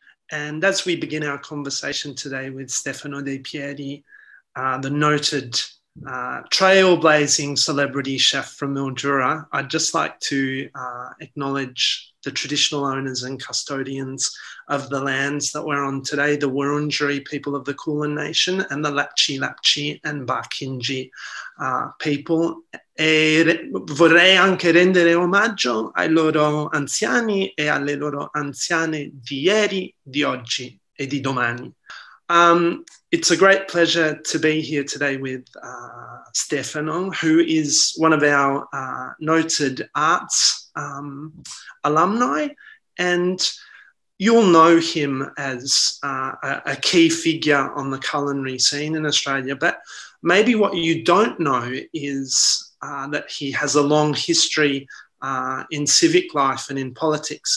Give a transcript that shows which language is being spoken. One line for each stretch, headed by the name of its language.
English: And as we begin our conversation today with Stefano de Pieri, the noted trailblazing celebrity chef from Mildura, I'd just like to acknowledge the traditional owners and custodians of the lands that we're on today, the Wurundjeri people of the Kulin Nation and the Lapchi Lapchi and Barkindji people.
Italian: E vorrei anche rendere omaggio ai loro anziani e alle loro anziane di ieri, di oggi e di domani.
English: It's a great pleasure to be here today with Stefano, who is one of our noted arts alumni, and you'll know him as a key figure on the culinary scene in Australia, but maybe what you don't know is that he has a long history in civic life and in politics.